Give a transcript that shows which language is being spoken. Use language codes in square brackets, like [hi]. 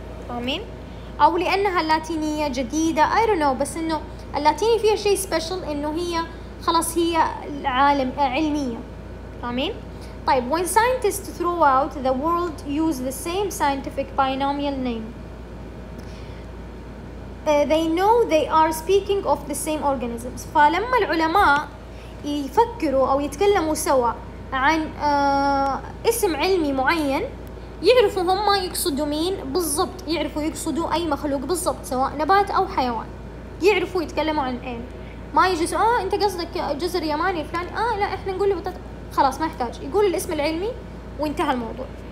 [ar] آمين. أو لأنها اللاتينية جديدة, [en] I don't know, [ar] بس إنه اللاتيني فيها شيء special إنه هي خلاص هي عالم علمية. آمين. [en] طيب when scientists throughout the world use the same scientific binomial name, they know they are speaking of the same organisms. [ar] فلما العلماء يفكروا أو يتكلموا سوا عن اسم علمي معين يعرفوا هم يقصدوا مين بالضبط, يعرفوا يقصدوا أي مخلوق بالضبط سواء نبات أو حيوان, يعرفوا يتكلموا عن إيه. ما يجلس أنت قصدك جزر يماني فلان, لا إحنا نقول بطاطا, خلاص ما يحتاج يقول الاسم العلمي وانتهى الموضوع.